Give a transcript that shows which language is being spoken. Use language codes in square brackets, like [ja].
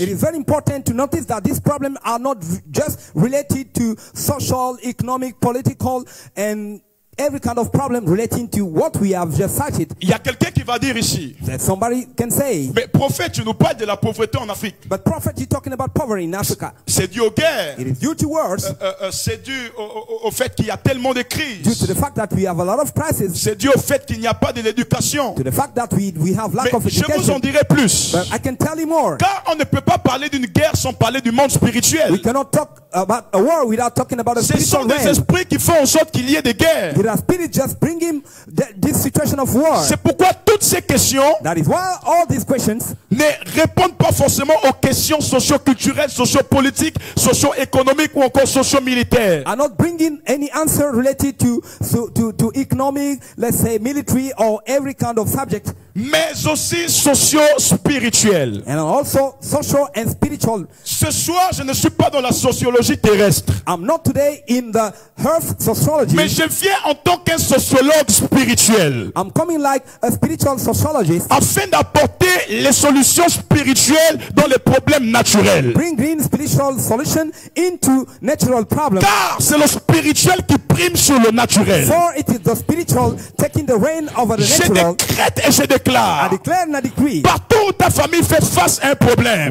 [en] It is very important to notice that these problems are not just related to social, economic, political and every kind of problem relating to what we have just cited. [fr] Il y a quelqu'un qui va dire ici. [en] That somebody can say. [fr] Mais prophète, tu nous parles de la pauvreté en Afrique. [en] But prophet, you're talking about poverty in Africa. [fr] C'est dû aux guerres. [en] It is due to wars. [fr] C'est dû au fait qu'il y a tellement de crises. [en] Due to the fact that we have a lot of crises. [fr] C'est dû au fait qu'il n'y a pas de l'éducation. [en] To the fact that we have lack of education. [fr] Mais je vous en dirai plus. [en] But I can tell you more. [fr] Car on ne peut pas parler d'une guerre sans parler du monde spirituel. [en] We cannot talk about a war without talking about a spiritual realm. [fr] Ce sont des esprits qui font en sorte qu'il y ait des guerres. [en] The spirit just bring him this situation of war. [fr] C'est pourquoi toutes ces questions, [en] that is why all these questions, [fr] ne répondent pas forcément aux questions socio-culturelles, socio-politiques, socio-économiques ou encore socio-militaires. [en] Are not bringing any answer related to economic, let's say military or every kind of subject. [fr] Mais aussi socio-spirituel. [en] And also social and spiritual. [fr] Ce soir, je ne suis pas dans la sociologie terrestre. [en] I'm not today in the earth sociology. [fr] Mais je viens en tant qu'un sociologue spirituel. [en] I'm coming like a spiritual sociologist. [fr] Afin d'apporter les solutions spirituelles dans les problèmes naturels. [en] Bringing spiritual solution into natural problems. [fr] Car c'est le spirituel qui prime sur le naturel. [en] For it is the spiritual taking the reign over the natural. [fr] Je décrète et je déclare. [en] I declare and I decree. [fr] Partout où ta famille fait face à un problème.